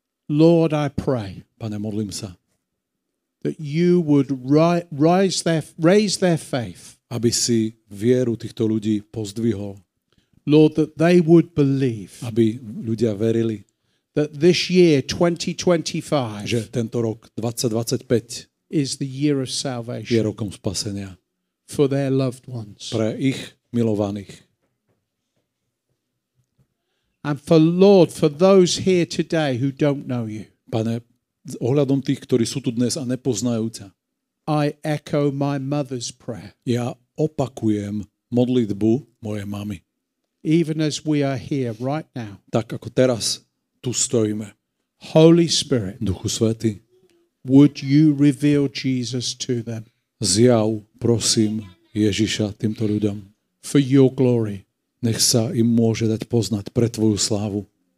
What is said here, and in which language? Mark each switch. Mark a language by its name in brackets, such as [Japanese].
[English] Lord, I pray. [Slovak] Pane, modlím sa. [English] That you would raise their faith. [Slovak] Aby si vieru týchto ľudí pozdvihol. [English] Lord, that they would believe. [Slovak] Aby ľudia verili. [English] That this year 2025. [Slovak] Že tento rok 2025. [English] Is the year of salvation. [Slovak] Je rokom spasenia. [English] for their loved ones. [Slovak] Pre ich milovaných. [English] And for Lord, for those here today who don't know you. [Slovak] Pane, ohľadom tých, ktorí sú tu dnes a nepoznajú ťa. [English] I echo my mother's prayer. [Slovak] Ja opakujem modlitbu mojej mamy. [English] Even as we are here right now. [Slovak] Tak ako teraz tu stojíme. [English] Holy Spirit. [Slovak] Duchu Svätý. [English] Would you reveal Jesus to them? [Slovak] Zjav, prosím, Ježiša týmto ľuďom. [English] For your glory. [Slovak] Nech sa im môže dať poznať pre tvoju slávu.